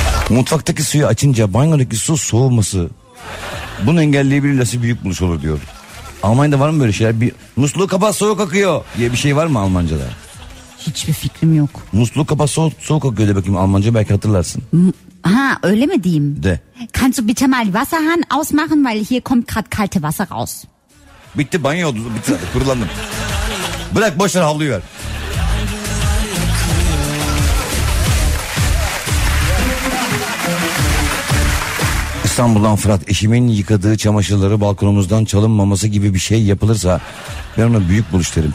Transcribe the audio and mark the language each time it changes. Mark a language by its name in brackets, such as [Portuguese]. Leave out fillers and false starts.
[Turkish] Mutfaktaki suyu açınca banyodaki su soğuması. Bunu engelleyebilir nasıl büyük buluş olur diyor. Almanya'da var mı böyle şeyler? Bir musluğu kapat soğuk akıyor diye bir şey var mı Almanca'da? Hiçbir fikrim yok. Musluğu kapat soğuk akıyor de bakayım Almanca belki hatırlarsın. Ha öyle mi diyeyim? De. [German] Kannst du bitte mal Wasserhahn ausmachen, weil hier kommt gerade kalte Wasser raus. [Turkish] Bitti banyo oldu, bitti kurulandım. Bırak boşver, havluyu ver. İstanbul'dan Fırat, eşimin yıkadığı çamaşırları balkonumuzdan çalınmaması gibi bir şey yapılırsa ben ona büyük buluş derim.